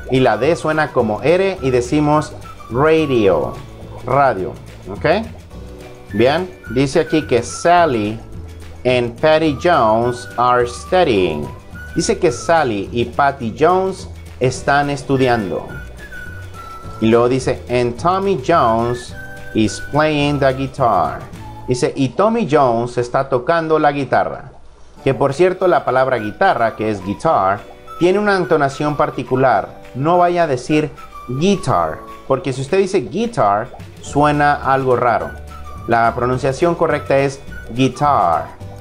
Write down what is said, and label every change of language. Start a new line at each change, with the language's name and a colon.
Spanish: Y la D suena como R y decimos radio. Radio. ¿Ok? Bien. Dice aquí que
English: Sally and Patty Jones are studying.
Spanish: Dice que Sally y Patty Jones están estudiando. Y luego dice,
English: and Tommy Jones is playing the guitar.
Spanish: Dice, y Tommy Jones está tocando la guitarra. Que por cierto, la palabra guitarra, que es guitar, tiene una entonación particular. No vaya a decir guitar, porque si usted dice guitar, suena algo raro. La pronunciación correcta es guitar.